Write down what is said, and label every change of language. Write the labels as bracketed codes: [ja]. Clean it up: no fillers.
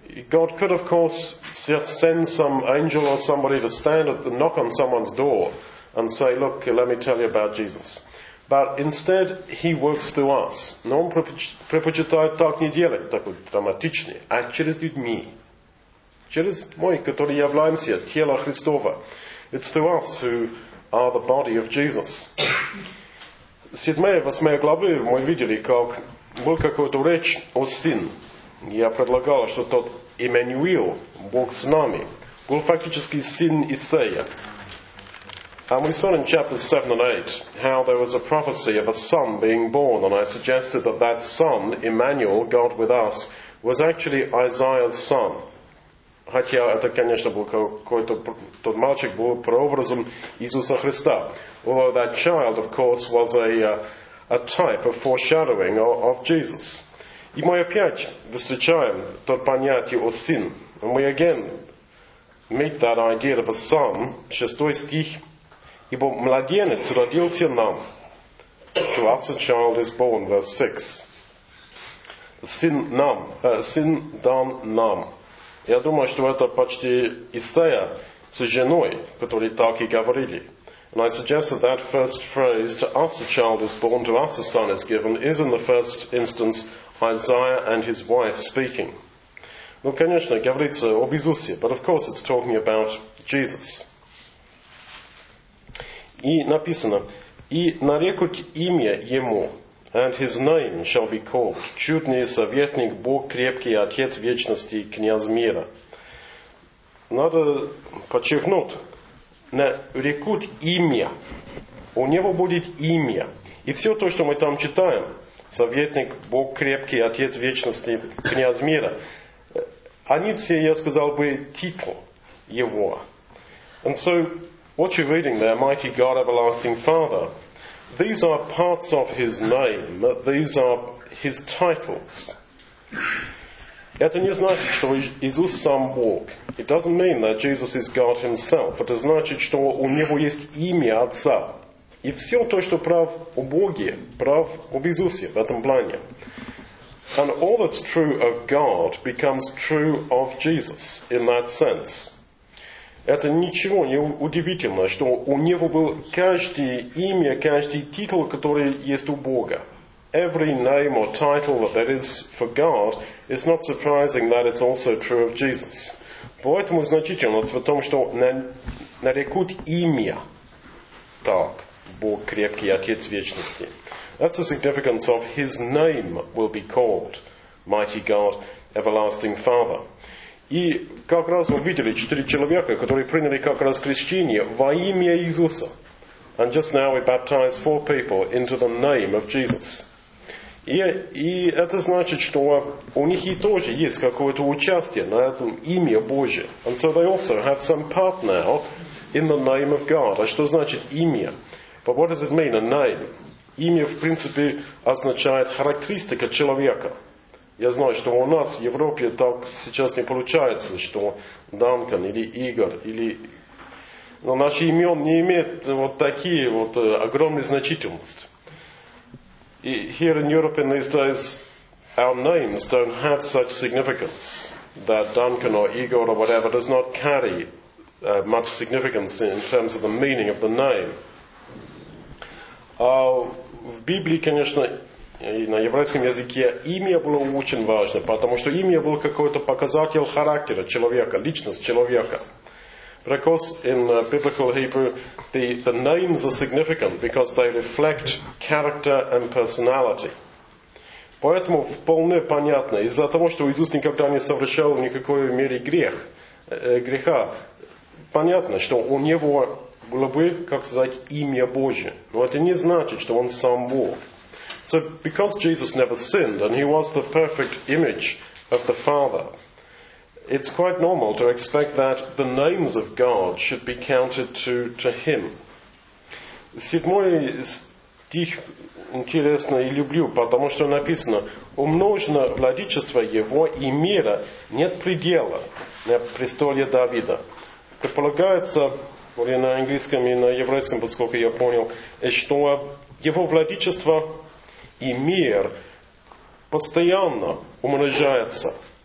[en] God could, of course, send some angel or somebody to stand at the knock on someone's door and say, look, let me tell you about Jesus. But instead, he works through us. [ru] Но он предпочитает так не делать, такой драматичный, а через людьми. Через мы, которые являемся тело Христова. [en] It's through us who are the body of Jesus. [ru] Седьмая, восьмая главы мы видели, как был какую-то речь о Сын. Я предлагал, что тот Эммануил, Бог с нами, был фактически Сын Исаия. [en] And we saw in chapters 7 and 8 how there was a prophecy of a son being born, and I suggested that that son, Emmanuel, God with us, was actually Isaiah's son. [ru] Хотя это, конечно, был какой-то тот мальчик был прообразом Иисуса Христа. [en] Although that child, of course, was a type of foreshadowing of Jesus. [ru] И мы опять встречаем то понятие о сын. [en] And we again meet that idea of a son, [ru] 6 стих. Ибо младенец родился нам. [en] To us a child is born, verse 6. [ru] Сын дан нам. Я думаю, что это почти Исаия с женой, которые так и говорили. [en] And I suggest that that first phrase, to us a child is born, to us a son is given, is in the first instance Isaiah and his wife speaking. [ru] Ну, конечно, говорится об Иисусе, [en] but of course it's talking about Jesus. [ru] И написано, и нарекут имя ему, [en] and his name shall be called [ru] Чудный Советник, Бог Крепкий, Отец Вечности, Князь Мира. Надо подчеркнуть, нарекут имя, у него будет имя. И все то, что мы там читаем, Советник, Бог Крепкий, Отец Вечности, Князь Мира, они все, я сказал бы, титул его. [en] And so, what you're reading there, Mighty God, Everlasting Father, these are parts of his name, these are his titles. [ru] Это не значит, что Иисус сам Бог. [en] It doesn't mean that Jesus is God himself. [ru] Это значит, что у него есть имя Отца. И все то, что прав о Боге, прав об Иисусе в этом плане. [en] And all that's true of God becomes true of Jesus in that sense. [ru] Это ничего не удивительно, что у него был каждое имя, каждый титул, который есть у Бога. [en] Every name or title that is for God, it's not surprising that it's also true of Jesus. [ru] Поэтому значительность в том, что нарекут имя. Так, Бог крепкий, Отец вечности. [en] That's the significance of his name will be called Mighty God, Everlasting Father. [ru] И как раз вы видели четыре человека, которые приняли как раз крещение во имя Иисуса. [en] And just now we baptized four people into the name of Jesus. [ru] И это значит, что у них и тоже есть какое-то участие на этом имя Божие. [en] And so they also have some part now in the name of God. [ru] А что значит имя? [en] But what does it mean, a name? [ru] Имя, в принципе, означает характеристика человека. Я знаю, что у нас в Европе так сейчас не получается, что Данкан или Игорь, или... Но наши имена не имеют вот такие вот огромные значительности. [en] И here in Europe in these days, our names don't have such significance. That Danken or Igor or whatever does not carry much significance in terms of the meaning of the name. [ru] В Библии, конечно, и на еврейском языке имя было очень важно, потому что имя было какой-то показатель характера человека, личность человека. [en] But of course, in biblical Hebrew, the names are significant because they reflect character and personality. [ru] Поэтому вполне понятно, из-за того, что Иисус никогда не совершал никакой мере греха, понятно, что у него было бы, как сказать, имя Божие. Но это не значит, что он сам Бог. [en] So because Jesus never sinned and he was the perfect image of the Father, it's quite normal to expect that the names of God should be counted to him. [ru] Седьмой стих интересно и люблю, потому что написано, умножено владычество его и мира, нет предела на престоле Давида. Предполагается, или на английском, и на еврейском, поскольку я понял, что его владычество и мир постоянно умножается.